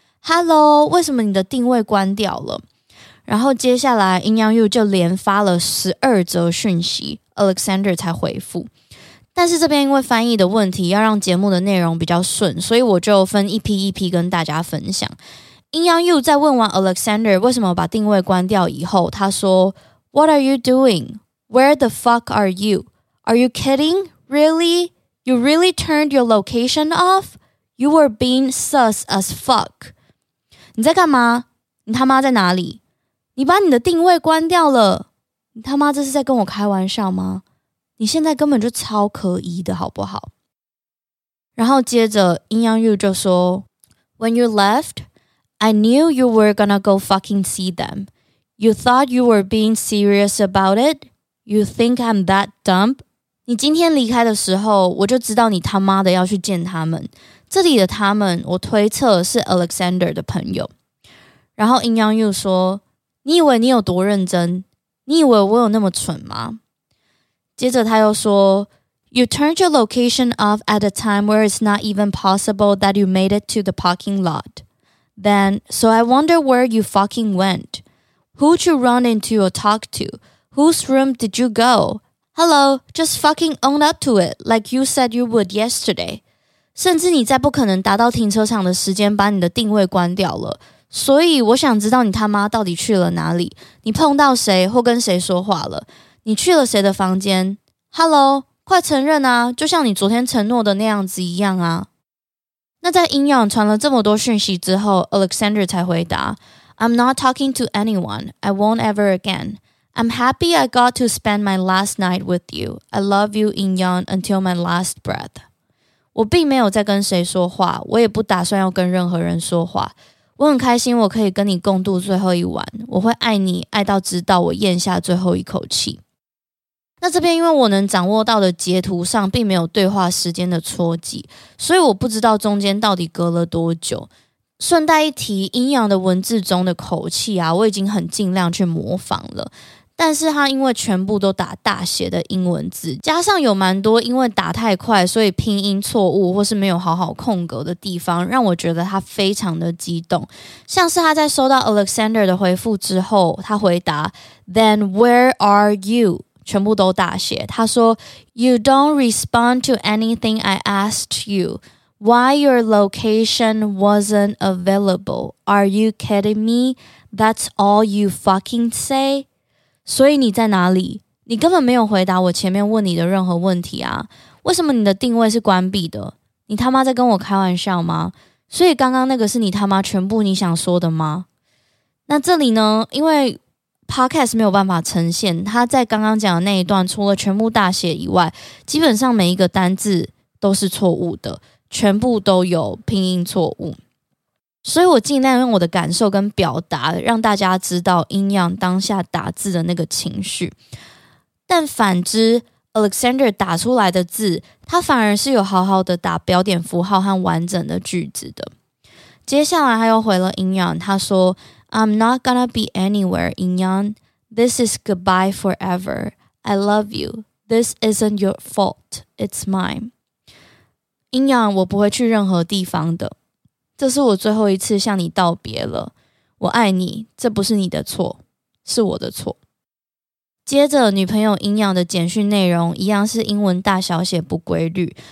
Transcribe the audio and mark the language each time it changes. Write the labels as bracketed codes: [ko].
[zh] Hello, 为什么你的定位关掉了？然后接下来 In Young Yu 就连发了12则讯息， Alexander 才回复。但是这边因为翻译的问题，要让节目的内容比较顺，所以我就分一批一批跟大家分享。殷央佑在问完 Alexander 为什么把定位关掉以后，他说 [en] What are you doing? Where the fuck are you? Are you kidding? Really? You really turned your location off? You were being sus as fuck. [zh] 你在干嘛？你他妈在哪里？你把你的定位关掉了？你他妈这是在跟我开玩笑吗？你现在根本就超可疑的好不好？然后接着殷央佑就说 [en] When you left, I knew you were gonna go fucking see them. You thought you were being serious about it? You think I'm that dumb? [zh] 你今天离开的时候，我就知道你他妈的要去见他们。这里的他们，我推测是 Alexander 的朋友。然后殷央佑说，你以为你有多认真？你以为我有那么蠢吗？接着他又说 [en] You turned your location off at a time where it's not even possible that you made it to the parking lot. Then, so I wonder where you fucking went. Who'd you run into or talk to? Whose room did you go? Hello, just fucking own up to it like you said you would yesterday. [zh] 甚至你再不可能达到停车场的时间把你的定位关掉了。所以我想知道你他妈到底去了哪里，你碰到谁或跟谁说话了。你去了谁的房间 ？Hello， 快承认啊！就像你昨天承诺的那样子一样啊。那在殷央传了这么多讯息之后 ，Alexander 才回答 ： [en] “I'm not talking to anyone. I won't ever again. I'm happy I got to spend my last night with you. I love you, 殷央 until my last breath。” [zh] 我并没有在跟谁说话，我也不打算要跟任何人说话。我很开心我可以跟你共度最后一晚，我会爱你爱到直到我咽下最后一口气。那这边因为我能掌握到的截图上并没有对话时间的戳记，所以我不知道中间到底隔了多久。顺带一提，殷央的文字中的口气啊，我已经很尽量去模仿了，但是他因为全部都打大写的英文字，加上有蛮多因为打太快所以拼音错误或是没有好好空格的地方，让我觉得他非常的激动。像是他在收到 Alexander 的回复之后，他回答 [en] Then where are you? [zh] 全部都大写。 [en] 他说 You don't respond to anything I asked you. Why your location wasn't available? Are you kidding me? That's all you fucking say? [zh] 所以你在哪里？你根本没有回答我前面问你的任何问题啊。为什么你的定位是关闭的？你他妈在跟我开玩笑吗？所以刚刚那个是你他妈全部你想说的吗？那这里呢，因为 podcast 没有办法呈现，他在刚刚讲的那一段除了全部大写以外，基本上每一个单字都是错误的，全部都有拼音错误。所以我尽量用我的感受跟表达让大家知道阴阳当下打字的那个情绪。但反之， Alexander 打出来的字他反而是有好好的打标点符号和完整的句子的。接下来他又回了阴阳，他说 [en] I'm not gonna be anywhere, Inyan. This is goodbye forever. I love you. This isn't your fault. It's mine. [zh] Inyan, 我不会去任何地方的。这是我最后一次向你道别了。我爱你，这不是你的错，是我的错。接着，女朋友 Inyan 的简讯内容一样是英文大小写不规律。